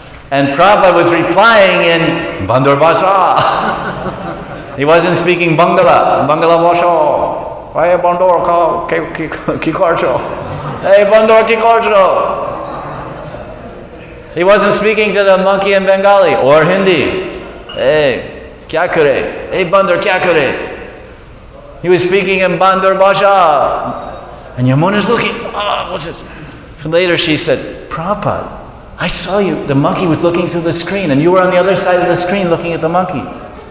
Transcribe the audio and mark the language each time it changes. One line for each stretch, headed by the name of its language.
English: And Prabhupada was replying in Bandur Bhasha. He wasn't speaking Bangala.
Bangla: Bangala Bhasha. Hey Bandur Kikarcho. Hey Bandur Kikarcho.
English: He wasn't speaking to the monkey in Bengali or Hindi.
Hindi: हे क्या करे. हे बंदर क्या करे.
English: He was speaking in Bandur Bhasha. And Yamuna's looking. Ah, oh, what's this? So later she said, Prabhupada, I saw you, the monkey was looking through the screen and you were on the other side of the screen looking at the monkey.